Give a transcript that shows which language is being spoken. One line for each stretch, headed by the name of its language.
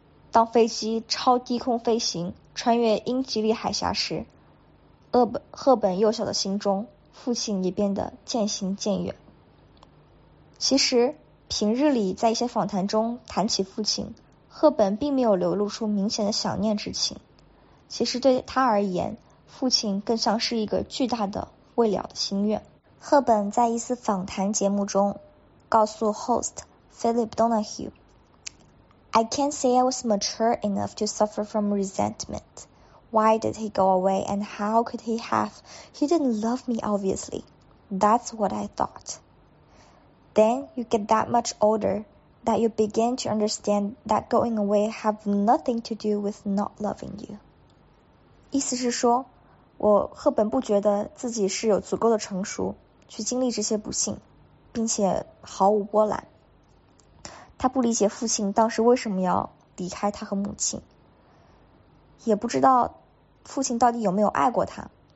Chinese: 当飞机超低空飞行穿越英吉利海峡时，赫本幼小的心中，父亲也变得渐行渐远。其实平日里在一些访谈中谈起父亲，赫本并没有流露出明显的想念之情，其实对他而言，父亲更像是一个巨大的未了的心愿。赫本在一次访谈节目中告诉 host Philip Donahue，
English: I can't say I was mature enough to suffer from resentment. Why did he go away and how could he have? He didn't love me, obviously. That's what I thought. Then you get that much older that you begin to understand that going away have nothing to do with not loving you.
Chinese: 意思是说，我赫本不觉得自己是有足够的成熟去经历这些不幸，并且毫无波澜。他不理解父亲当时为什么要离开他和母亲，也不知道父亲到底有没有爱过他。